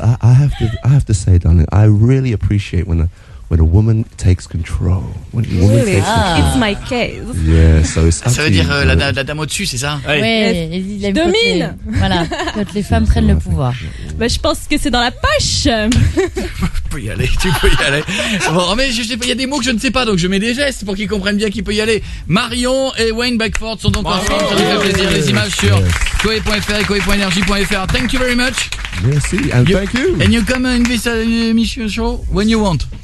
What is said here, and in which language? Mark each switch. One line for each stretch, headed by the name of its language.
English: I have to say, darling, I really appreciate when a woman takes control. When a woman really? Takes control. It's my case. Yeah, so it's
French: ça veut dire la dame au-dessus, c'est ça? Oui, elle domine. Voilà, quand les femmes prennent le pouvoir. Bah, je pense que c'est dans la poche. Tu peux y aller. Bon, mais il y a des mots que je ne sais pas, donc je mets des gestes pour qu'ils comprennent bien qui peut y aller. Marion et Wayne Beckford sont donc ensemble. Ça nous fait plaisir. Les images sur koe.fr et koe.energie.fr.
English: Thank you very much.
French: Merci,
English: and thank you. And you come in this mission show when you want.